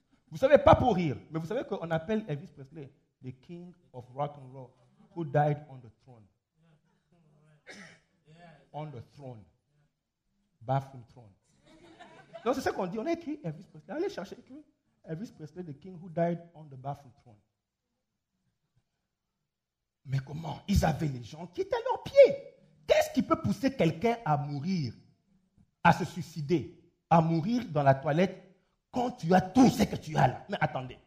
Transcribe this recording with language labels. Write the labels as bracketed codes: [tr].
[fr] Vous savez, pas pour rire, mais vous savez qu'on appelle Elvis Presley [en] the king of rock and roll who died on the throne. On the throne. Bathroom throne. [fr] Non, c'est ce qu'on dit. On a écrit Elvis Presley. Allez chercher. Écrit [en] Elvis Presley, the king who died on the bathroom throne. [fr] Mais comment? Ils avaient les gens qui étaient à leurs pieds. Qu'est-ce qui peut pousser quelqu'un à mourir, à se suicider, à mourir dans la toilette quand tu as tout ce que tu as là? Mais attendez.